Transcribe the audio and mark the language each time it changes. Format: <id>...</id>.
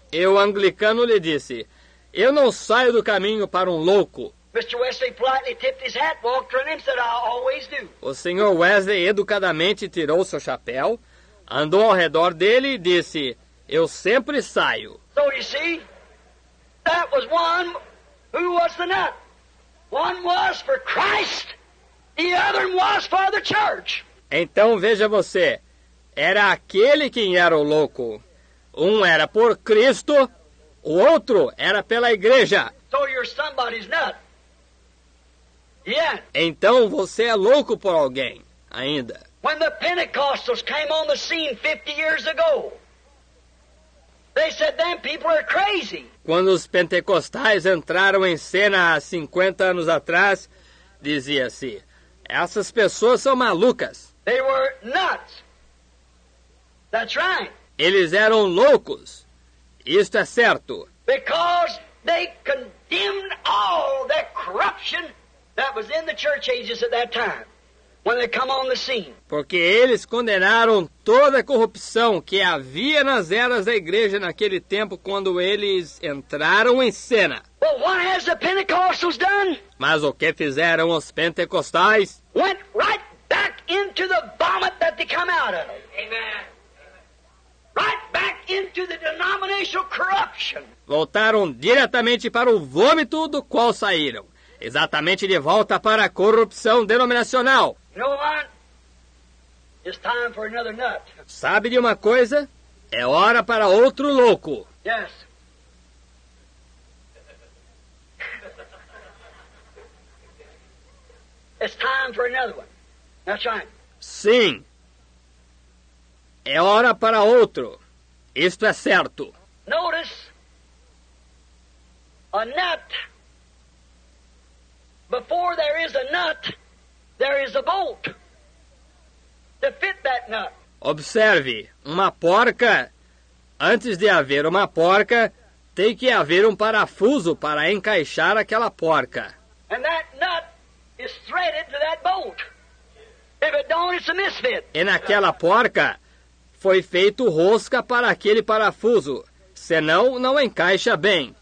<pt>E o anglicano lhe disse: "Eu não saio do caminho para um louco."</pt> <en>Mr. Wesley politely tipped his hat, walked around him, said, "I always do."</en> <pt>O Sr. Wesley educadamente tirou seu chapéu, andou ao redor dele e disse: "Eu sempre saio."</pt> <en>So you see, that was one who was the nut. One was for Christ, the other was for the church.</en> <pt>Então veja você, era aquele quem era o louco. Um era por Cristo, o outro era pela Igreja.</pt> <en>So you're somebody's nut. Yeah.</en> <pt>Então você é louco por alguém ainda.</pt> <en>When the Pentecostals came on the scene 50 years ago, they said them people are crazy.</en> <pt>Quando os pentecostais entraram em cena há 50 anos atrás, dizia-se: essas pessoas são malucas.</pt> <en>They were nuts. That's right.</en> <pt>Eles eram loucos. Isto é certo.</pt> <en>Because they condemned all that corruption that was in the church ages at that time when they come on the scene.</en> <pt>Porque eles condenaram toda a corrupção que havia nas eras da Igreja naquele tempo quando eles entraram em cena.</pt> <en>But what has the Pentecostals done?</en> <pt>Mas o que fizeram os pentecostais?</pt> <en>Went right back into the vomit that they come out of. Amen. Right back in to the denominational corruption.</en> <pt>Voltaram diretamente para o vômito do qual saíram. Exatamente de volta para a corrupção denominacional.</pt> <en>You know what? It's time for another nut.</en> <pt>Sabe de uma coisa? É hora para outro louco.</pt> <en>Yes. It's time for another one. Now shine.</en> <pt>Sim. É hora para outro. Isto é certo.</pt> <en>Notice a nut. Before there is a nut, there is a bolt to fit that nut.</en> <pt>Observe, uma porca, antes de haver uma porca, tem que haver um parafuso para encaixar aquela porca.</pt> <en>And that nut is threaded to that bolt. If it don't, it's a misfit.</en> <pt>E naquela porca foi feito rosca para aquele parafuso, senão não encaixa bem.</pt>